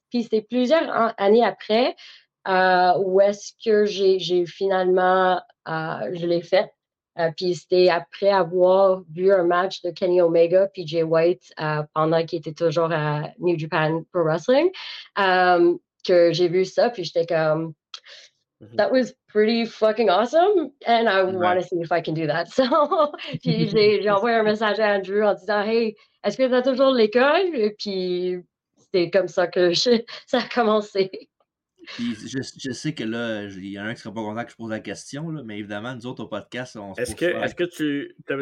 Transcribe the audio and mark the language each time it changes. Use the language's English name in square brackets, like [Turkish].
[French] Puis c'était plusieurs années après où est-ce que j'ai finalement, je l'ai fait. Puis c'était après avoir vu un match de Kenny Omega puis Jay White pendant qu'il était toujours à New Japan Pro Wrestling que j'ai vu ça. Puis j'étais comme, [English] that was pretty fucking awesome, and I want to see if I can do that. [French] So, puis j'ai envoyé un message à Andrew en disant, hey, est-ce que tu as toujours l'école? Et puis c'est comme ça que ça a commencé. Puis je sais que là, il y en a un qui serait pas content que je pose la question, là, mais évidemment, nous autres au podcast, on se est-ce pose que, pas. Est-ce que tu.